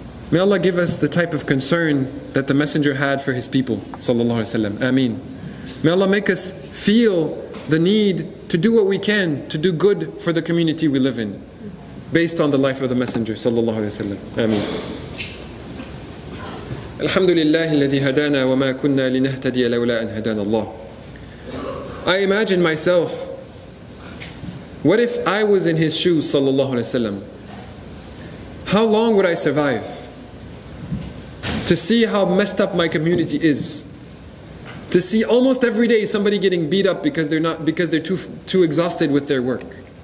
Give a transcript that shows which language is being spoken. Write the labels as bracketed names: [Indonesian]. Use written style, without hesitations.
[English] May Allah give us the type of concern that the Messenger had for his people, sallallahu alaihi wasallam. Ameen. May Allah make us feel the need to do what we can to do good for the community we live in, based on the life of the Messenger, sallallahu alaihi wasallam. Ameen. [Arabic] الحمد لله الذي هدانا وما كنا لنهتدي لولا أن هدانا الله. [English] I imagine myself, what if I was in his shoes, sallallahu alaihi wasallam? How long would I survive to see how messed up my community is? To see almost every day somebody getting beat up because they're too exhausted with their work.